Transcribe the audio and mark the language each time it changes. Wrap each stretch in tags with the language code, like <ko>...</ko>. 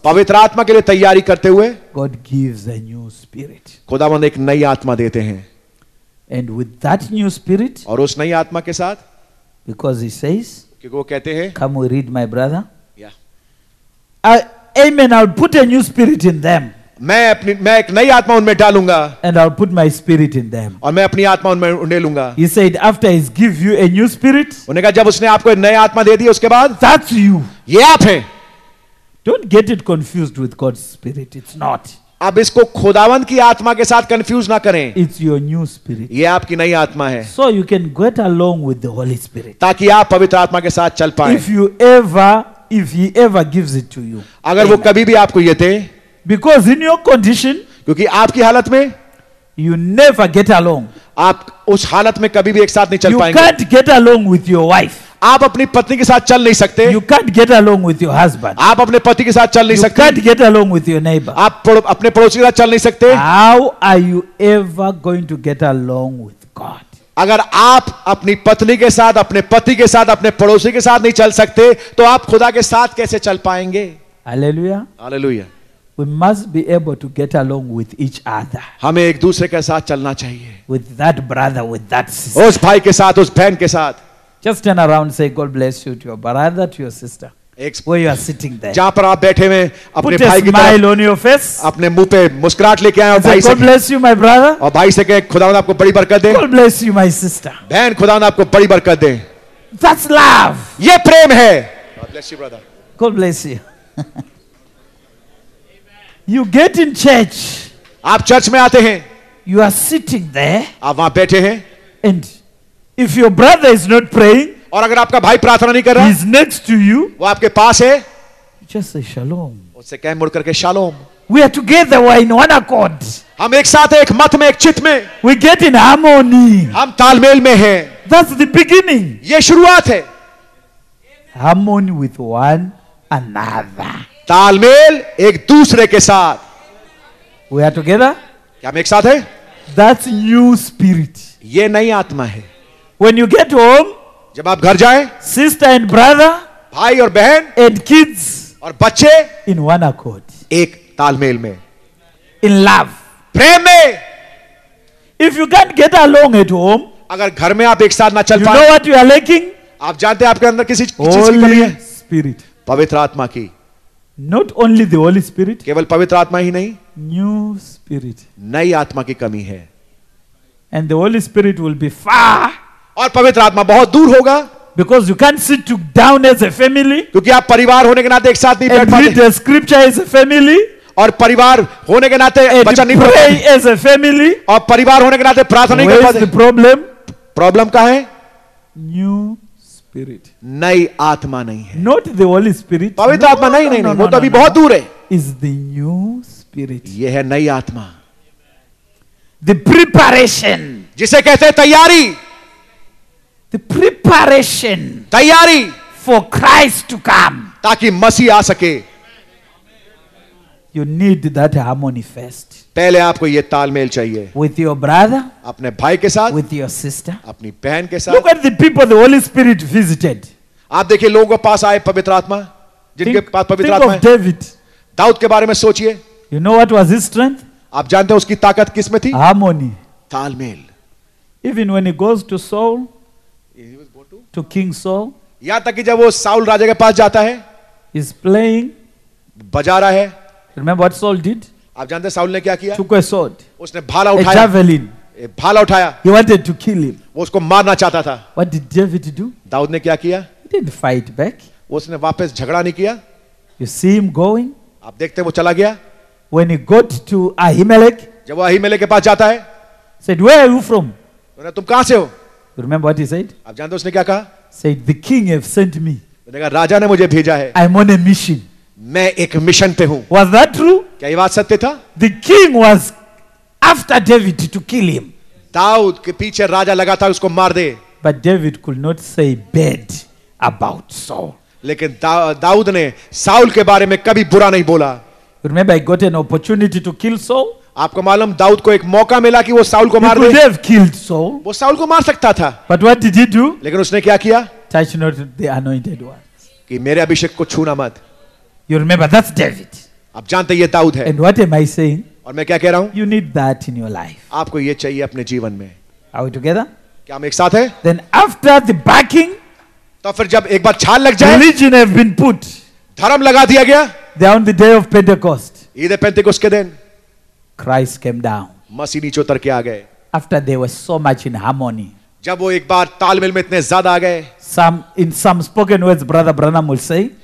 <hi>पवित्र आत्मा के लिए तैयारी करते हुए.</hi> <en>God gives a new spirit.</en> <hi>खुदावंद एक नई आत्मा देते हैं.</hi> <en>And with that new spirit.</en> <hi>और उस नई आत्मा के साथ.</hi> <en>Because he says.</en> <hi>क्योंकि वो कहते हैं.</hi> <en>Come we read my brother. Yeah. Amen. I'll put a new spirit in them.</en> <hi>मैं एक नई आत्मा उनमें डालूंगा.</hi> <en>And I'll put my spirit in them.</en> <hi>और मैं अपनी आत्मा उनमें उन्हें लूंगा.</hi> <en>He said after he's give you a new spirit.</en> <hi>उन्हें कहा जब उसने आपको एक नई आत्मा दे दी उसके बाद.</hi> <en>That's you.</en> <hi>ये आप हैं.</hi> <en>Don't get it confused with God's spirit. It's not.</en> <hi>अब इसको खुदावंद की आत्मा के साथ कंफ्यूज ना करें.</hi> <en>It's your new spirit.</en> <hi>ये आपकी नई आत्मा है.</hi> <en>So you can get along with the Holy Spirit.</en> <hi>ताकि आप पवित्र आत्मा के साथ चल पाएं.</hi> <en>If he ever gives it to you.</en> <hi>अगर वो कभी भी आपको ये दे.</hi> <en>Because in your condition,</en> <hi>क्योंकि आपकी हालत में,</hi> <en>you never get along.</en> <hi>आप उस हालत में कभी भी एक साथ नहीं चल</hi> <en>you</en> <hi>पाएंगे.</hi> <en>You can't get along with your wife.</en> <hi>आप अपनी पत्नी के साथ चल नहीं सकते.</hi> <en>You can't get along with your husband.</en> <hi>आप अपने पति के साथ चल नहीं</hi> <en>you</en> <hi>सकते.</hi> <en>You can't get along with your neighbor.</en> <hi>आप अपने पड़ोसी के साथ चल नहीं सकते.</hi> <en>How are you ever going to get along with God?</en> <hi>अगर आप अपनी पत्नी के साथ, अपने पति के साथ, अपने पड़ोसी के साथ नहीं चल सकते, तो आप खुदा के साथ कैसे चल पाएंगे?</hi> <en>Hallelujah. Hallelujah. We must be able to get along with each other.</en> <hi>हमें एक दूसरे के साथ चलना चाहिए.</hi> <en>With that brother, with that sister.</en> <hi>उस भाई के साथ, उस बहन के साथ.</hi> <en>Just turn around and say, God bless you to your brother, to your sister. Where you are sitting there.</en> <hi>जहाँ पर आप बैठे हैं, अपने भाई की तरफ.</hi> <en>Put a smile on your face.</en> <hi>अपने मुंह पे मुस्कुराहट लेके आए और भाई से.</hi> <en>God bless you, my brother.</en> <hi>और भाई से कहे, खुदावंद आपको बड़ी बरकत दे.</hi> <en>God bless you, my sister.</en> <hi>बहन, खुदावंद आपको बड़ी बरकत दे.</hi> <en>That's love.</en> <hi>ये प्रेम है.</hi> <en>God bless you, brother. God bless you. You get in church.</en> <hi>आप चर्च में आते हैं.</hi> <en>You are sitting there.</en> <hi>आप वहाँ बैठे हैं.</hi> <en>And if your brother is not praying,</en> <hi>और अगर आपका भाई प्रार्थना नहीं कर रहा,</hi> <en>he is next to you.</en> <hi>वो आपके पास है.</hi> <en>Just say shalom.</en> <hi>उससे कह मुड़ करके shalom.</hi> <en>We are together. We are in one accord.</en> <hi>हम एक साथ हैं, एक मत में, एक चित में.</hi> <en>We get in harmony.</en> <hi>हम तालमेल में हैं.</hi> <en>That's the beginning.</en> <hi>ये शुरुआत है.</hi> <en>Harmony with one another.</en> <hi>तालमेल एक दूसरे के साथ.</hi> <en>We are together.</en> <hi>क्या हम एक साथ हैं?</hi> <en>That's new spirit.</en> <hi>ये नई आत्मा है.</hi> <en>When you get home,</en> <hi>जब आप घर जाएं,</hi> <en>sister and brother,</en> <hi>भाई और बहन,</hi> <en>and kids,</en> <hi>और बच्चे,</hi> <en>in one accord,</en> <hi>एक तालमेल में,</hi> <en>in love,</en> <hi>प्रेम में.</hi> <en>If you can't get along at home,</en> <hi>अगर घर में आप एक साथ ना चल पाएं,</hi> <en>you know what you are lacking?</en> <hi>आप जानते हैं आपके अंदर किसी चीज की कमी है?</hi> <en>Spirit,</en> <hi>पवित्र आत्मा की.</hi> <en>Not only the Holy Spirit.</en> <hi>केवल पवित्र आत्मा ही नहीं.</hi> <en>New Spirit.</en> <hi>नई आत्मा की कमी है.</hi> <en>And the Holy Spirit will be far.</en> <hi>और पवित्र आत्मा बहुत दूर होगा.</hi> <en>Because you can't sit down as a family.</en> <hi>क्योंकि आप परिवार होने के नाते एक साथ नहीं बैठ पाते.</hi> <en>And read the Scripture as a family.</en> <hi>और परिवार होने के नाते वचन नहीं पढ़ते.</hi> <en>And pray as a family.</en> <hi>और परिवार होने के नाते प्रार्थना नहीं कर पाते.</hi> <en>Where is the problem?</en> <hi>Problem कहाँ है?</hi> <en>New Spirit.</en> <hi>नई आत्मा नहीं है.</hi> <en>Not the Holy Spirit.</en> <hi>पवित्र आत्मा नहीं, नहीं, नहीं. वो तो अभी बहुत दूर है.</hi> <en>Is the new spirit.</en> <hi>ये है नई आत्मा.</hi> <en>The preparation.</en> <hi>जिसे कहते हैं तैयारी.</hi> <en>The preparation.</en> <hi>तैयारी.</hi> <en>For Christ to come.</en> <hi>ताकि मसीह आ सके.</hi> <en>You need that harmony first.</en> <hi>पहले आपको ये तालमेल चाहिए.</hi> <en>With your brother.</en> <hi>अपने भाई के साथ.</hi> <en>With your sister.</en> <hi>अपनी बहन के साथ.</hi> <en>Look at the people the Holy Spirit visited.</en> <hi>आप देखिए लोगों के पास आए पवित्र आत्मा, जिनके पास पवित्र आत्मा है.</hi> <en>Think of David.</en> <hi>दाऊद के बारे में सोचिए.</hi> <en>You know what was his strength?</en> <hi>आप जानते हैं उसकी ताकत किस में थी?</hi> <en>Harmony.</en> <hi>तालमेल.</hi> <en>Even when he goes to Saul. To King Saul.</en> <hi>यहां तक कि जब वो साउल राजा के पास जाता है.</hi> <en>He's playing.</en> <hi>बजा रहा है.</hi> <en>Remember what Saul did?</en> <hi>आप जानते हैं साउल ने क्या किया?</hi> <en>Took a sword.</en> <hi>उसने भाला उठाया.</hi> <en>A javelin.</en> <hi>भाला उठाया.</hi> <en>He wanted to kill him.</en> <hi>वो उसको मारना चाहता था.</hi> <en>What did David do?</en> <hi>Dawood ने क्या किया?</hi> <en>He didn't fight back.</en> <hi>उसने वापस झगड़ा नहीं किया.</hi> <en>You see him going?</en> <hi>आप देखते हैं वो चला गया.</hi> <en>When he got to Ahimelech.</en> <hi>जब वो अहिमेलेक के पास जाता है.</hi> <en>Said, where are you from?</en> <hi>उन्हें तुम कहां से हो?</hi> <en>You remember what he said?</en> <hi>आप जानते हैं उसने क्या कहा?</hi> <en>Said, the king have sent me.</en> <hi>उन्हें कहा, राजा ने मुझे भेजा है.</hi> <en>I'm on a mission.</en> <hi>मैं एक मिशन पे हूं.</hi> <en>Was that true?</en> <hi>क्या ये बात सत्य था?</hi> <en>The king was after David to kill him.</en> <hi>Dawood के पीछे राजा लगा था उसको मार दे.</hi> <en>But David could not say bad about Saul.</en> <hi>लेकिन दाऊद ने साउल के बारे में कभी बुरा नहीं बोला.</hi> <en>Remember, I got an opportunity to kill Saul.</en> <hi>आपको मालूम दाऊद को एक मौका मिला कि वो साउल को मार दे.</hi> <en>He could have killed Saul.</en> <hi>वो साउल को मार सकता था.</hi> <en>But what did he do?</en> <hi>लेकिन उसने क्या किया?</hi> <en>Touch not the anointed ones.</en> <hi>कि मेरे अभिषेक को छूना मत.</hi> <en>You remember that's David.</en> <hi>आप जानते हैं ये दाऊद है.</hi> <en>And what am I saying?</en> <hi>और मैं क्या कह रहा हूँ?</hi> <en>You need that in your life.</en> <hi>आपको ये चाहिए अपने जीवन में.</hi> <en>Are we together?</en> <hi>क्या हम एक साथ हैं?</hi> <en>Then after the backing,</en> <hi>तो फिर जब एक बार छाल लग जाए,</hi> <en>religion have been put.</en> <hi>धर्म लगा दिया गया.</hi> <en>They are on the day of Pentecost.</en> <hi>इधर पेंटेकोस्ट के दिन,</hi> <en>Christ came down.</en> <hi>मसीह नीचे उतर के आ गए.</hi> <en>After they were so much in harmony.</en> <hi>जब वो एक बार तालमेल में इतने ज़्यादा आ गए.</hi> <en>In some spoken words, Brother Branham will say.</en>